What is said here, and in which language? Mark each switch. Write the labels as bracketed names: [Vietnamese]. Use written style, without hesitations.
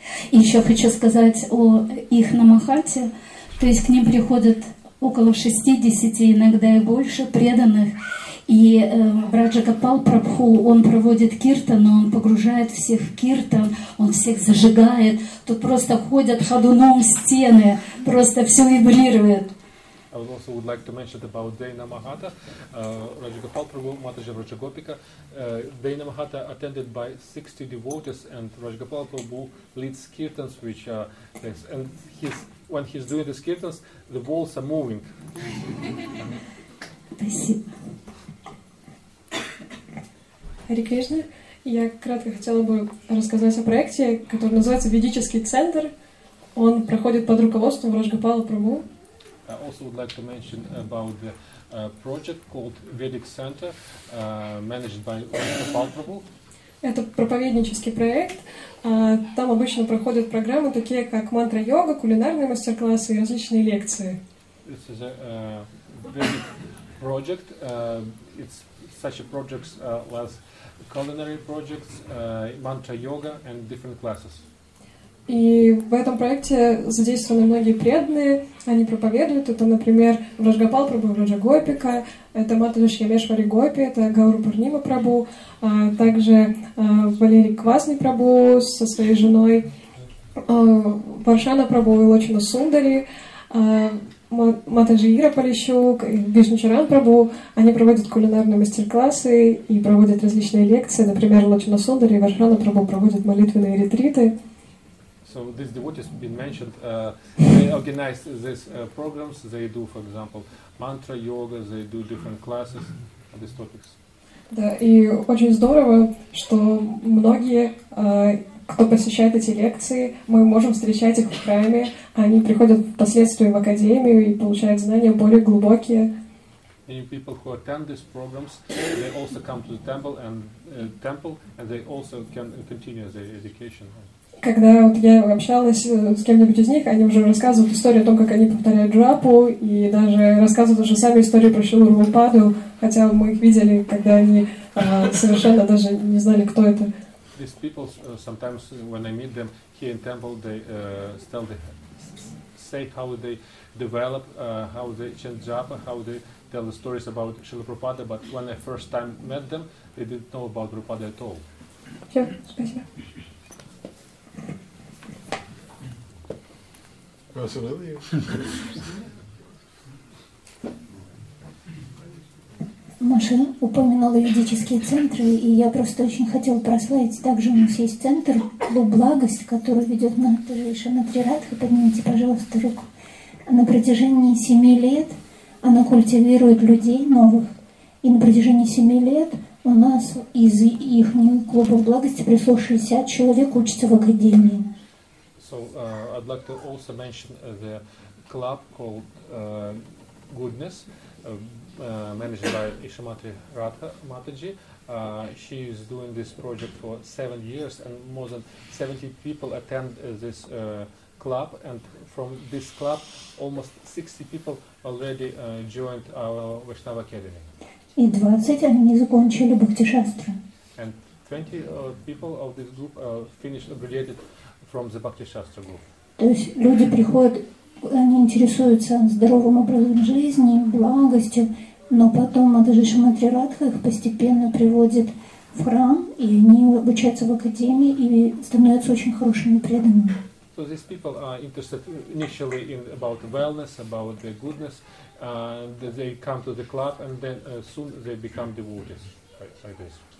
[Russian] И еще хочу сказать о их намахате, то есть к ним приходят около 60, иногда и больше, преданных, и Враджакапал Прабху, он проводит киртан, он погружает всех в киртан, он всех зажигает, тут просто ходят ходуном стены, просто все вибрирует. [English] I would also would like to mention about Dayana Mahata, Rajagopal Prabhu, Mataji Vrajagopika. Dayana Mahata attended by 60 devotees and Rajagopal Prabhu leads kirtans which are this. And he's, when he's doing the kirtans, the walls are moving. [Russian] Hare Krishna, я кратко хотела бы рассказать о проекте, который называется «Ведический центр». Он проходит под руководством Rajagopala Prabhu. [English] I also would like to mention about the project called Vedic Center, managed by Rajagopal Prabhu. [Russian] Это проповеднический проект. Там обычно проходят программы такие как мантра-йога, кулинарные мастер-классы и различные лекции. [English] This is a Vedic project. It's such a project as culinary projects, mantra-йога and different classes. [Russian] И в этом проекте задействованы многие преданные, они проповедуют. Это, например, Враджакапал Прабху Враджагопика, это Матадж Ямешвари Гопи, это Гауру Пурнима Прабху, а также Валерий Квасный Прабху со своей женой, Варшана Прабху и Лочина Сундари, Матадж Ира Полищук и Вишнучаран Прабху. Они проводят кулинарные мастер-классы и проводят различные лекции. Например, Лочина Сундари и Варшана Прабху проводят молитвенные ретриты. [English] So these devotees have been mentioned, they organize these programs, they do, for example, mantra, yoga, they do different classes on these topics. [Russian] Да, и очень здорово, что многие, кто посещает эти лекции, мы можем встречать их в храме, они приходят впоследствии в академию и получают знания более глубокие. [English] Many people who attend these programs, they also come to the temple, and they also can continue their education. [Russian] Когда вот я общалась с кем-нибудь из них, они уже рассказывают историю о том, как они повторяют джапу, и даже рассказывают уже сами историю про Шрилу Прабхупаду, хотя мы их видели, когда они совершенно даже не знали, кто это. [English] These people, sometimes when I meet them here in temple, they tell, they say how they develop, how they chant japa, how they tell the stories about Srila Prabhupada, but when I first time met them, they didn't know about Prabhupada at all. Sure, [Russian] спасибо. [English] Absolutely. [Russian] Машина упоминала юридические центры, и я просто очень хотела прославить. Также у нас есть центр «Клуб Благость», который ведет Матри Шанатри Радха. Поднимите, пожалуйста, руку. На протяжении 7 лет она культивирует людей новых. И на протяжении 7 лет у нас из их «Клуба Благости» пришло 60 человек учиться в Академии. [English] So, I'd like to also mention the club called «Goodness». Managed by Ishamatri Radha Mataji. She is doing this project for 7 years, and more than 70 people attend this club, and from this club almost 60 people already joined our Vaishnava Academy. And 20 people of this group finished or graduated from the Bhakti Shastra group. [Russian] Они интересуются здоровым образом жизни, благостью, но потом Матаджи Шримати Радха их постепенно приводит в храм, и они обучаются в академии и становятся очень хорошими преданными. [English] So these people are interested initially in about wellness, about the goodness, and they come to the club, and then soon they become devotees, like this.